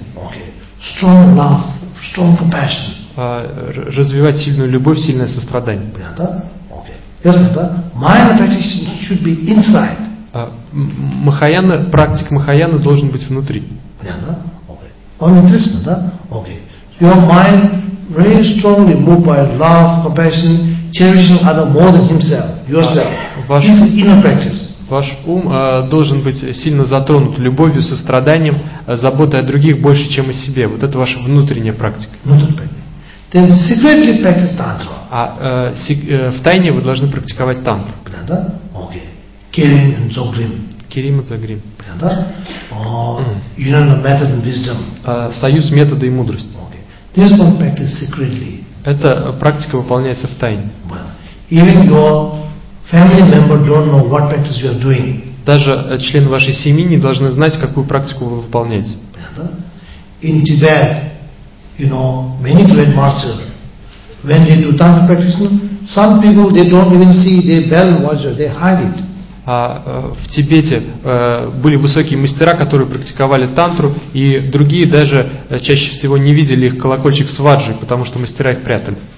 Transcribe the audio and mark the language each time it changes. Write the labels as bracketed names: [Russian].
[English] Okay. Strong love, strong compassion. [Russian] Развивать сильную любовь, сильное сострадание. Понятно? [English] Okay. [Russian] Ясно, да? [English] Mahayana practitioner should be inside. [Russian] Махаяна, практик Махаяна должен быть внутри. Понятно? Okay. Он интересно, да? Okay. [English] Your mind very strongly moved by love, compassion, cherishing other more than himself, yourself. [Russian] Ваш, [English] this is inner practice. [Russian] Ваш ум должен быть сильно затронут любовью, состраданием, заботой о других больше, чем о себе. Вот это ваша внутренняя практика. [English] Then secretly practice tantra. [Russian] В тайне вы должны практиковать тантру. [English] Понятно? Okay. Kirim and Dzogchen. Kirim and Dzogchen. [Russian] Понятно? [English] Union of method and wisdom. [Russian] Союз метода и мудрости. [English] Okay. This one practice secretly. [Russian] Эта практика выполняется в тайне. [English] Even your family member don't know what practice you are doing. [Russian] Даже члены вашей семьи не должны знать, какую практику вы выполняете. [English] In Tibet, you know, many great masters, when they do tantra practice, some people they don't even see their bell watcher, they hide it. [Russian] В Тибете были высокие мастера, которые практиковали тантру, и другие даже чаще всего не видели их колокольчик с ваджи, потому что мастера их прятали.